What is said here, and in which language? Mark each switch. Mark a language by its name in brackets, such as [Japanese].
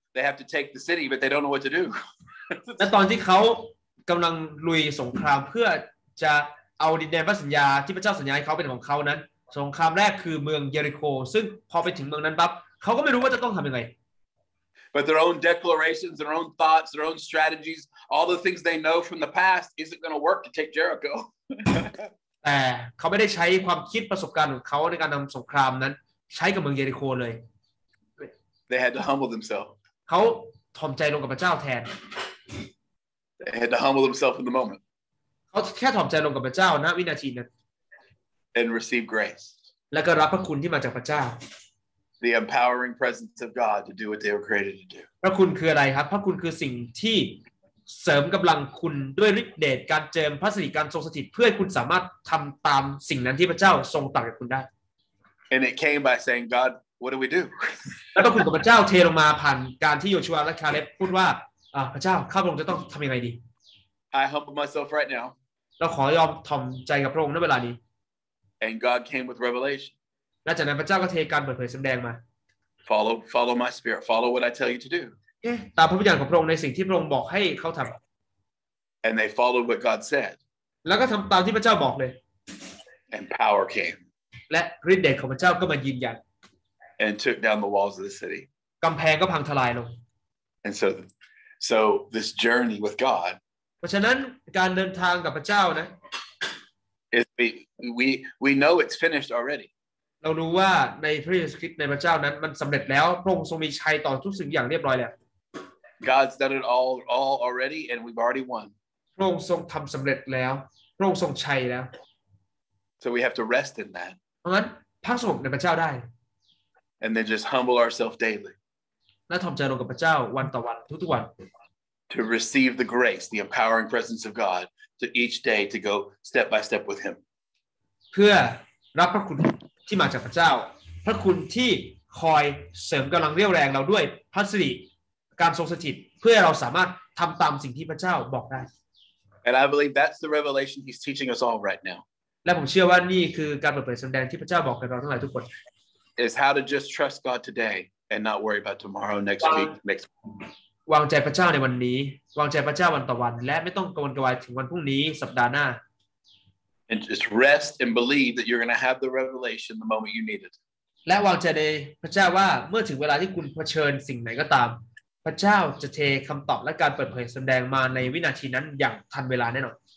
[English] They have to take the city, but they don't know what to do. [Thai] และตอนที่เขากำลังลุยสงครามเพื่อจะเอาดินแดนพระสัญญาที่พระเจ้าสัญญาให้เขาเป็นของเขานั้นสงครามแรกคือเมืองเยริโคซึ่งพอไปถึงเมืองนั้นปั๊บเขาก็ไม่รู้ว่าจะต้องทำยังไง [English] But their own declarations, their own thoughts, their own strategies, all the things they know from the past isn't going to work to take Jericho. [Thai] แต่เขาไม่ได้ใช้ความคิดประสบการณ์ของเขาในการทำสงครามนั้นใช้กับเมืองเยริโคเลย [English] They had to humble themselves [Thai] เขาถ่อมใจลงกับพระเจ้าแทน [English] They had to humble themselves in the moment [Thai] เขาแค่ถ่อมใจลงกับพระเจ้าณวินาทีนั้น [English] And receive grace [Thai] แล้วก็รับพระคุณที่มาจากพระเจ้า [English] The empowering presence of God to do what they were created to do [Thai] พระคุณคืออะไรครับพระคุณคือสิ่งที่เสริมกำลังคุณด้วยฤทธิ์เดชการเจิมพระสิริการทรงสถิตเพื่อให้คุณสามารถทำตามสิ่งนั้นที่พระเจ้าทรงตรัสกับคุณได้ [English] And it came by saying God what do we do [Thai] แล้วพระคุณของพระเจ้าเทลงมาผ่านการที่โยชัวและคาเลบพูดว่าพระเจ้าข้าพระองค์จะต้องทำยังไงดี [English] I humble myself right now [Thai] เราขอยอมถ่อมใจกับพระองค์ในเวลานี้ [English] And God came with revelation [Thai] และจากนั้นพระเจ้าก็เทการเปิดเผยแสดงมา [English] follow my spirit follow what I tell you to do [Thai] ตามพระวิญญาณของพระองค์ในสิ่งที่พระองค์บอกให้เขาทำ [English] And they followed what God said [Thai] แล้วก็ทำตามที่พระเจ้าบอกเลย [English] And power came [Thai] และฤทธิ์เดชของพระเจ้าก็มายืนยัน [English] And took down the walls of the city [Thai] กำแพงก็พังทลายลง [English] And so this journey with God [Thai] เพราะฉะนั้นการเดินทางกับพระเจ้านะ [English] is we know it's finished already [Thai] เรารู้ว่าในพระเยซูคริสต์ในพระเจ้านั้นมันสำเร็จแล้วพระองค์ทรงมีชัยต่อทุกสิ่งอย่างเรียบร้อยแล้ว [English] God's done it all already and we've already won. [Thai] พระองค์ทรงทำสำเร็จแล้วพระองค์ทรงชัยแล้ว [English] So we have to rest in that. [Thai] เพราะงั้นพักสงบในพระเจ้าได้ [English] And then just humble ourselves daily. [Thai] และถ่อมใจลงกับพระเจ้าวันต่อวันทุกๆวัน [English] To receive the grace, the empowering presence of God to each day to go step by step with him. [Thai] เพื่อรับพระคุณที่มาจากพระเจ้าพระคุณที่ คอยเสริมกำลังเรี่ยวแรงเราด้วยพระสิริการทรงสถิตเพื่อเราสามารถทำตามสิ่งที่พระเจ้าบอกได้ [English] And I believe that's the revelation he's teaching us all right now [Thai] และผมเชื่อว่านี่คือการเปิดเผยสำแดงที่พระเจ้าบอกกับเราทั้งหลายทุกคน [English] is how to just trust God today and not worry about tomorrow next week next [Thai] วางใจพระเจ้าในวันนี้วางใจพระเจ้าวันต่อวันและไม่ต้องกังวลกังวายถึงวันพรุ่งนี้สัปดาห์หน้า [English] and just rest and believe that you're going to have the revelation the moment you need it [Thai] และวางใจในพระเจ้าว่าเมื่อถึงเวลาที่คุณเผชิญสิ่งไหนก็ตามพระเจ้าจะเทคำตอบและการเปิดเผยสำแดงมาในวินาทีนั้นอย่างทันเวลาแน่นอน